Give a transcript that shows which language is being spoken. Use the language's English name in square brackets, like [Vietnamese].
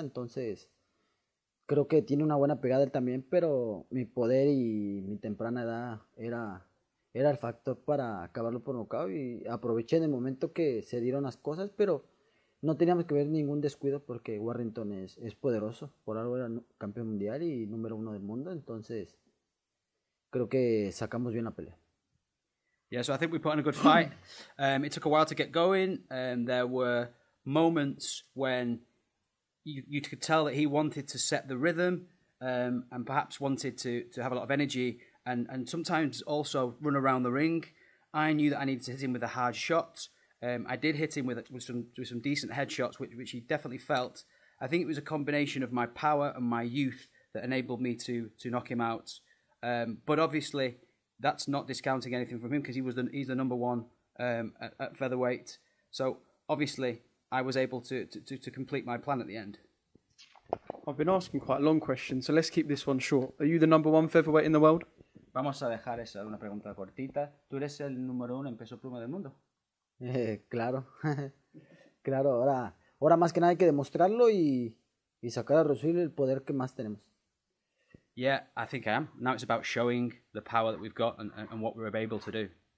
[Spanish] Entonces creo que tiene una buena pegada él también, pero mi poder y mi temprana edad era el factor para acabarlo por nocaut, y aproveché en el momento que se dieron las cosas, pero no teníamos que ver ningún descuido porque Warrington es poderoso, por algo era campeón mundial y número uno del mundo. Entonces creo que sacamos bien la pelea. [English] Yeah, so I think we put on a good fight. It took a while to get going, and there were moments when you could tell that he wanted to set the rhythm, and perhaps wanted to have a lot of energy and sometimes also run around the ring. I knew that I needed to hit him with a hard shot. I did hit him with some decent headshots, which he definitely felt. I think it was a combination of my power and my youth that enabled me to knock him out. But obviously, that's not discounting anything from him, because he's the number one at featherweight. So obviously, I was able to complete my plan at the end. I've been asking quite a long question, so let's keep this one short. Are you the number one featherweight in the world? [Spanish] Vamos a dejar esa una pregunta cortita. ¿Tú eres el número uno en peso pluma del mundo? Claro. Claro, ahora más que nada hay que demostrarlo y sacar a relucir el poder que más tenemos. [English] Yeah, I think I am. Now it's about showing the power that we've got and what we're able to do.